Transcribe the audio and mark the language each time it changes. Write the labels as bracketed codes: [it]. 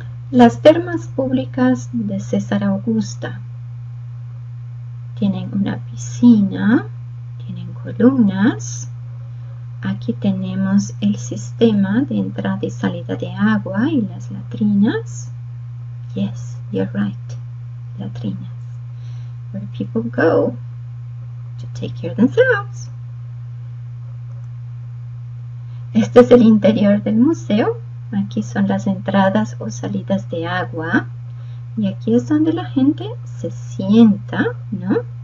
[es] Las termas públicas de César Augusta tienen una piscina, tienen columnas. Aquí tenemos el sistema de entrada y salida de agua y las latrinas. [en] Yes, you're right, latrinas. Where people go to take care of themselves. [es] Este es el interior del museo. Aquí son las entradas o salidas de agua. Y aquí es donde la gente se sienta, ¿no?